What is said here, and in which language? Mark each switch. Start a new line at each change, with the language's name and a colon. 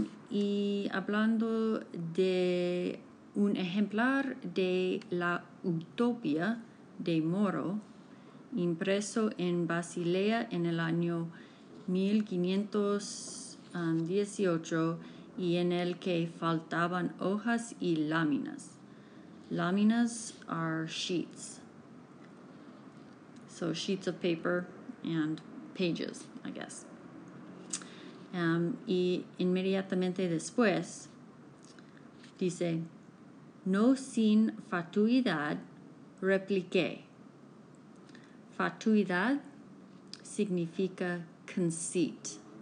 Spanish: Y hablando de un ejemplar de la Utopía de Moro, impreso en Basilea en el año 1518 y en el que faltaban hojas y láminas.
English: Láminas are sheets. So sheets of paper and pages, I guess.
Spanish: Y inmediatamente después, dice, no sin fatuidad, repliqué. Fatuidad significa conceit.